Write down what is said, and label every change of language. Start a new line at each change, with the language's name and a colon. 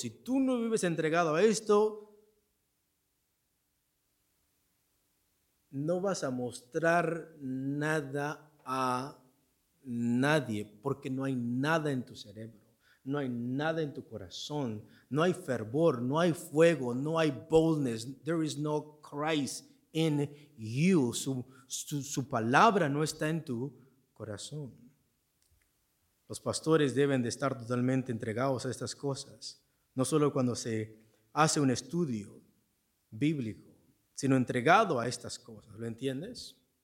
Spanish: Si tú no vives entregado a esto, no vas a mostrar nada a nadie porque no hay nada en tu cerebro, no hay nada en tu corazón, no hay fervor, no hay fuego, no hay boldness.
English: There is no Christ in you.
Spanish: Su palabra no está en tu corazón. Los pastores deben de estar totalmente entregados a estas cosas, no solo cuando se hace un estudio bíblico, sino entregado a estas cosas. ¿Lo entiendes?